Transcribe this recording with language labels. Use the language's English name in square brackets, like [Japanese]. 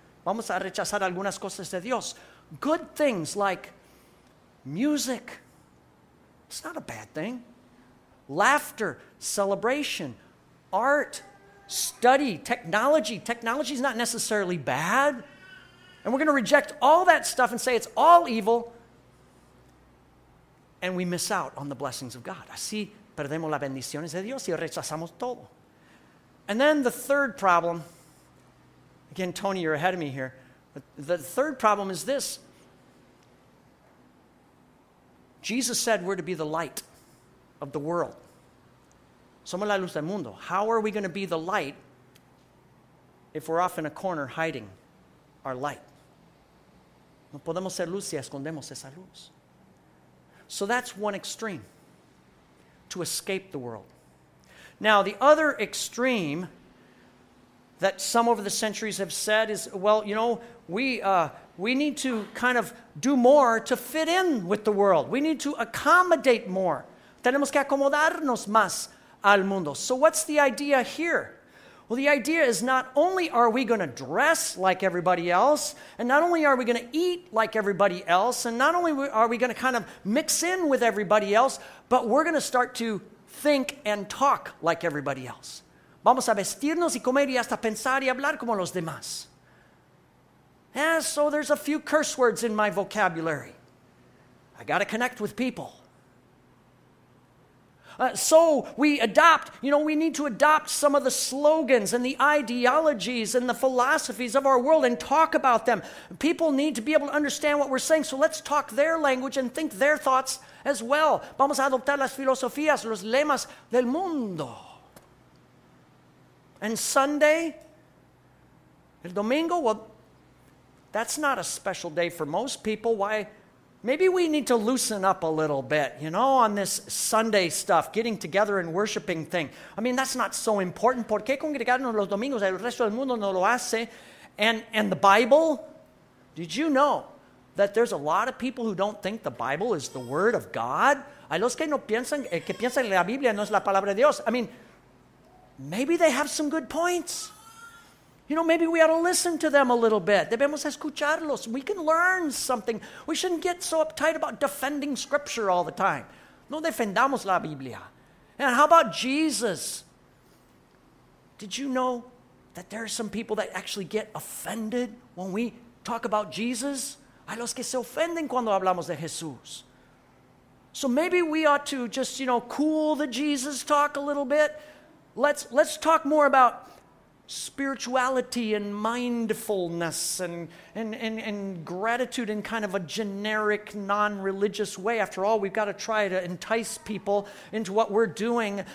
[Spanish] Vamos a rechazar algunas cosas de Dios. [English] Good things like music. It's not a bad thing. Laughter, celebration, art, study, technology. Technology is not necessarily bad. And we're going to reject all that stuff and say it's all evil. And we miss out on the blessings of God. [Spanish] Así perdemos las bendiciones de Dios y rechazamos todo. [English] And then the third problem, again, Tony, you're ahead of me here, but the third problem is this. Jesus said we're to be the light of the world. [Spanish] Somos la luz del mundo. [English] How are we going to be the light if we're off in a corner hiding our light? [Spanish] No podemos ser luz si escondemos esa luz. [English] So that's one extreme, to escape the world. Now, the other extreme that some over the centuries have said is, well, you know, we need to kind of do more to fit in with the world. We need to accommodate more. [Spanish] Tenemos que acomodarnos más al mundo. [English] So what's the idea here? Well, the idea is not only are we going to dress like everybody else, and not only are we going to eat like everybody else, and not only are we going to kind of mix in with everybody else, but we're going to start to think and talk like everybody else. [Spanish] Vamos a vestirnos y comer y hasta pensar y hablar como los demás. [English] Yeah, so there's a few curse words in my vocabulary. I got to connect with people. So we adopt, you know, we need to adopt some of the slogans and the ideologies and the philosophies of our world and talk about them. People need to be able to understand what we're saying, so let's talk their language and think their thoughts as well. [Spanish] Vamos a adoptar las filosofías, los lemas del mundo. [English] And Sunday, [Spanish] el domingo, [English] well, that's not a special day for most people. Why? Maybe we need to loosen up a little bit, you know, on this Sunday stuff, getting together and worshiping thing. I mean, that's not so important. [Spanish] ¿Por qué congregarnos los domingos? El resto del mundo no lo hace. [English] And the Bible? Did you know that there's a lot of people who don't think the Bible is the Word of God? [Spanish] Hay los que no piensan, que piensan que la Biblia no es la palabra de Dios. [English] I mean, maybe they have some good points. You know, maybe we ought to listen to them a little bit. [Spanish] Debemos escucharlos. [English] We can learn something. We shouldn't get so uptight about defending Scripture all the time. [Spanish] No defendamos la Biblia. [English] And how about Jesus? Did you know that there are some people that actually get offended when we talk about Jesus? [Spanish] Hay los que se ofenden cuando hablamos de Jesús. [English] So maybe we ought to just, you know, cool the Jesus talk a little bit. Let's talk more about spirituality and mindfulness and gratitude in kind of a generic, non-religious way. After all, we've got to try to entice people into what we're doing.